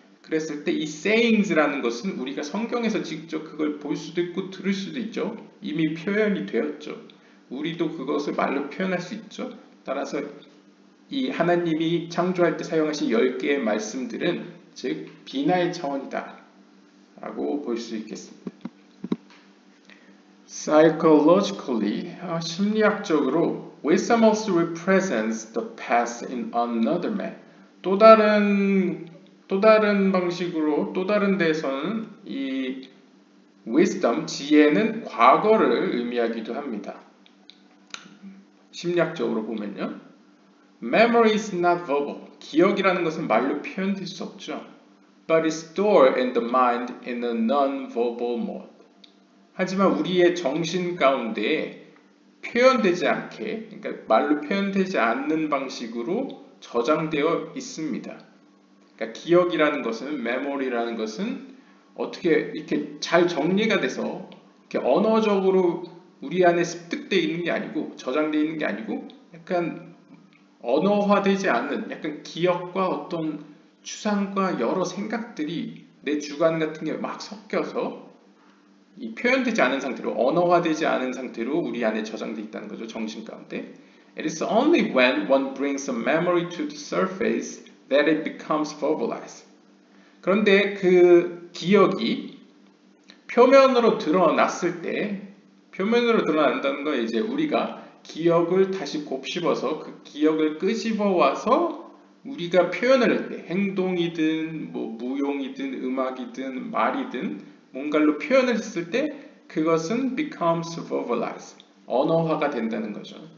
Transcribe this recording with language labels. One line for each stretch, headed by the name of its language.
Korean: 그랬을 때 이 sayings라는 것은 우리가 성경에서 직접 그걸 볼 수도 있고 들을 수도 있죠. 이미 표현이 되었죠. 우리도 그것을 말로 표현할 수 있죠. 따라서 이 하나님이 창조할 때 사용하신 10개의 말씀들은 즉 비나의 차원이다 라고 볼 수 있겠습니다.
English: Psychologically,
Korean: 심리학적으로
English: wisdom also represents the past in another man.
Korean: 또 다른 방식으로 또 다른 데에서는 이 wisdom, 지혜는 과거를 의미하기도 합니다. 심리학적으로 보면요.
English: Memory is not verbal.
Korean: 기억이라는 것은 말로 표현될 수 없죠.
English: But it's stored in the mind in a non-verbal mode.
Korean: 하지만 우리의 정신 가운데 표현되지 않게, 그러니까 말로 표현되지 않는 방식으로 저장되어 있습니다. 그러니까 기억이라는 것은, 메모리라는 것은 어떻게 이렇게 잘 정리가 돼서 이렇게 언어적으로 우리 안에 습득되어 있는 게 아니고, 저장되어 있는 게 아니고, 약간 언어화되지 않은 약간 기억과 어떤 추상과 여러 생각들이 내 주관 같은 게 막 섞여서 이 표현되지 않은 상태로, 언어화되지 않은 상태로 우리 안에 저장되어 있다는 거죠, 정신 가운데.
English: It is only when one brings a memory to the surface that it becomes verbalized.
Korean: 그런데 그 기억이 표면으로 드러났을 때, 표면으로 드러난다는 건 이제 우리가 기억을 다시 곱씹어서 그 기억을 끄집어와서 우리가 표현을 할 때, 행동이든 뭐 무용이든 음악이든 말이든 뭔가로 표현을 했을 때 그것은
English: becomes verbalized,
Korean: 언어화가 된다는 거죠.